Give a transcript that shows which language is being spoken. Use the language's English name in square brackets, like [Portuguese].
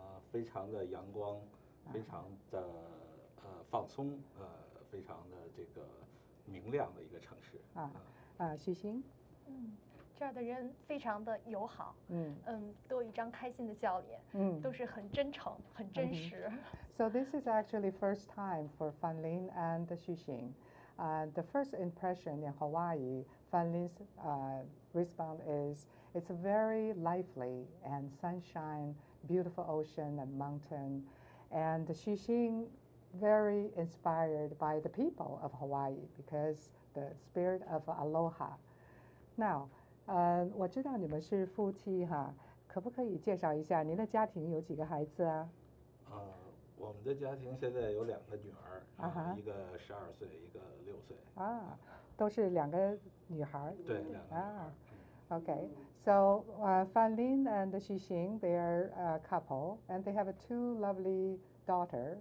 [Chinese] 非常的阳光， 非常的放松， 非常的这个明亮的一个城市。许昕。这儿的人非常的友好，都有一张开心的笑脸，都是很真诚，很真实。 [English] So this is actually first time for Fan Lin and Xu Xing. The first impression in Hawaii, Fan Lin's response is, it's very lively and sunshine, beautiful ocean and mountain. And Xu Xing, very inspired by the people of Hawaii because the spirit of aloha. [Chinese] Now, 我知道你们是夫妻哈，可不可以介绍一下您的家庭有几个孩子啊？我们的家庭现在有两个女儿，一个12岁，一个6岁。都是两个女孩？对，两个女孩。 [English] Okay, so Fan Lin and Xu Xing, they are a couple, and they have two lovely daughters.